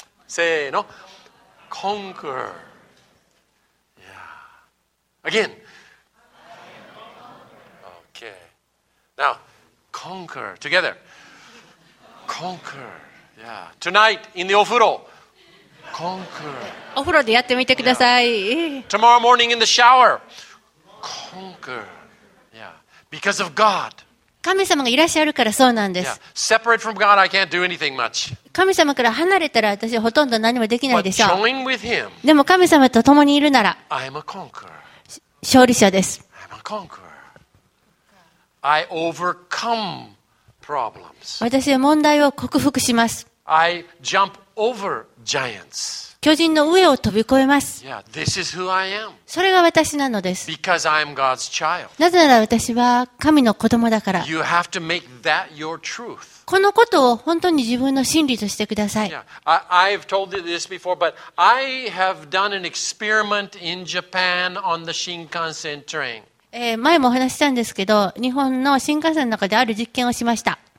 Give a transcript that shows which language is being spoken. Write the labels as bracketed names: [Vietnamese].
[English] せーの。Conquer. Yeah. Again. Okay. Now, conquer together. Conquer. Yeah. Tonight in the お風呂. Conquer. [Japanese] お風呂でやってみてください。 [English] Tomorrow morning in the shower. Conquer. Yeah. Because of God. [Japanese] 神様がいらっしゃるからそうなんです。 [English] Separate from God, I can't do anything much. [Japanese] 神様から離れたら私はほとんど何もできないでしょう。 [English] But join with him, [Japanese] でも神様と共にいるなら、 [English] I'm a conqueror. [Japanese] 勝利者です。 [English] I'm a conqueror. I overcome problems. [Japanese] 私は問題を克服します。 [English] I jump over giants. [Japanese] 巨人の上を飛び越えます。 [English] Yeah, this is who I am. [Japanese] それが私なのです。 [English] Because I am God's child. [Japanese] なぜなら私は神の子供だから。 [English] You have to make that your truth. [Japanese] このことを本当に自分の真理としてください。 [English] Yeah, I've told you this before, but I have done an experiment in Japan on the Shinkansen train. [Japanese] 前もお話したんですけど、日本の新幹線の中である実験をしました。